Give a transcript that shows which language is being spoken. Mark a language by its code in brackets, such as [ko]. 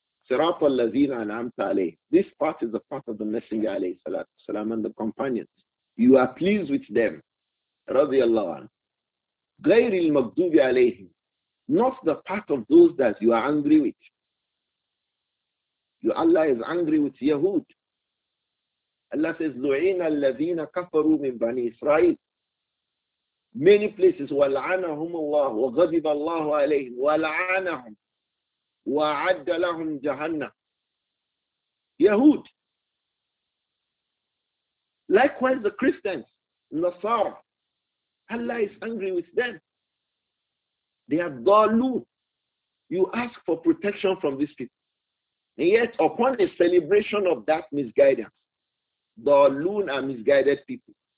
[ar] Sirat al-lazina an'amta alayhi. [en] This part is the part of the Messenger, alayhi salatu salam, and the companions. You are pleased with them, radiallahu anhu. [ar] Ghayri al-maghdubi alayhi. [en] Not the part of those that you are angry with. Allah is angry with Yahud. Allah says, [ar] لُعِينَ الَّذِينَ كَفَرُوا مِنْ بَنِي إِسْرَائِيلِ. [en] Many places, [ar] وَلْعَنَهُمُ اللَّهُ وَغَضِبَ اللَّهُ عَلَيْهِمْ وَلْعَنَهُمْ وَعَدَّ لَهُمْ جَهَنَّمَ. [en] Yahud. Likewise, the Christians, Nasara, Allah is angry with them. They are dalun. You ask for protection from these people. And yet, upon the celebration of that misguidance, dalun are misguided people.